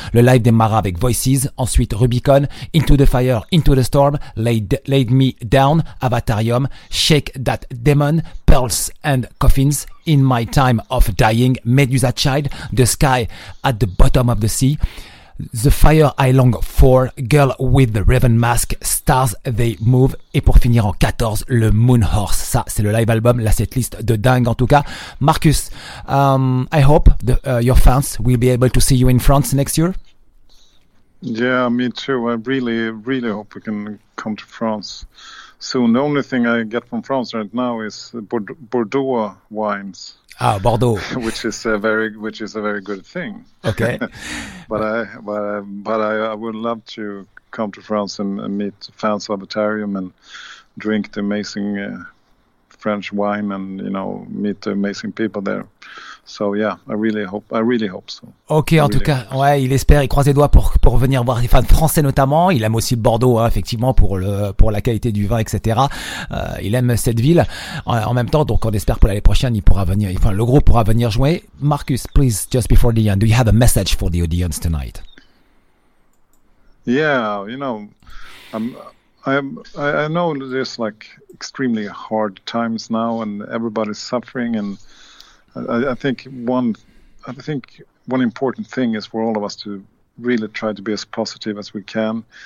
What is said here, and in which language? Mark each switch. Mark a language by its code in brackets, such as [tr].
[fr] Le live démarra avec Voices, ensuite Rubicon, Into the Fire, Into the Storm, Laid Me Down, Avatarium, Shake That Demon, Pearls and Coffins, In My Time of Dying, Medusa Child, The Sky at the Bottom of the Sea, The Fire I Long For, Girl with the Raven Mask, Stars They Move, et pour finir en 14, le Moon Horse. Ça, c'est le live album, la setlist de dingue en tout cas. [en] Marcus, I hope your fans will be able to see you in France next year. Yeah, me too. I really, really hope we can come to France soon. The only thing I get from France right now is Bordeaux wines. Ah, Bordeaux. Which is a very good thing. Okay. but I would love to come to France and meet fans of Avatarium and drink the amazing French wine and, you know, meet the amazing people there. So yeah, I really hope so. [fr] Ok, en tout cas, ouais, il espère, il croise les doigts pour venir voir les fans français notamment. Il aime aussi Bordeaux, hein, effectivement, pour la qualité du vin, etc. Il aime cette ville. En même temps, donc, on espère pour l'année prochaine, il pourra venir, enfin, le groupe pourra venir jouer. [en] Marcus, please, just before the end, do you have a message for the audience tonight? Yeah, you know, I know there's like extremely hard times now, and everybody's suffering, and I think one important thing is for all of us to really try to be as positive as we can.